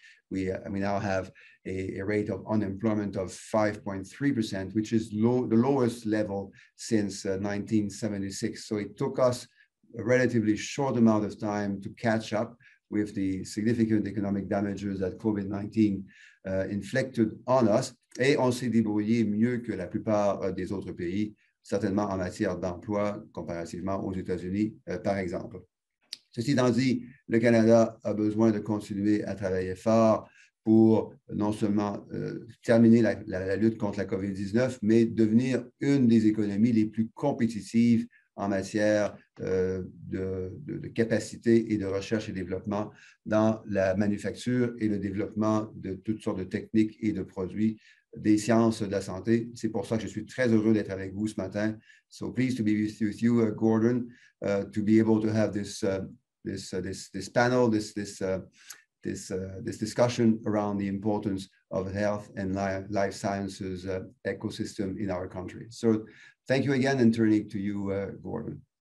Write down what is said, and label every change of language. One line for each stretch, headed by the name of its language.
English: We now have a rate of unemployment of 5.3%, which is the lowest level since 1976. So it took us a relatively short amount of time to catch up with the significant economic damages that COVID-19 inflicted on us.
French: Et on s'est débrouillé mieux que la plupart des autres pays, certainement en matière d'emploi, comparativement aux États-Unis, par exemple. Ceci étant dit, le Canada a besoin de continuer à travailler fort pour non seulement terminer la lutte contre la COVID-19, mais devenir une des économies les plus compétitives en matière de capacité et de recherche et développement dans la manufacture et le développement de toutes sortes de techniques et de produits des sciences de la santé. C'est pour ça que je suis très heureux d'être avec vous ce matin.
English: So pleased to be with you, Gordon, to be able to have this panel, this discussion around the importance of health and life sciences ecosystem in our country. So thank you again, and turning to you, Gordon.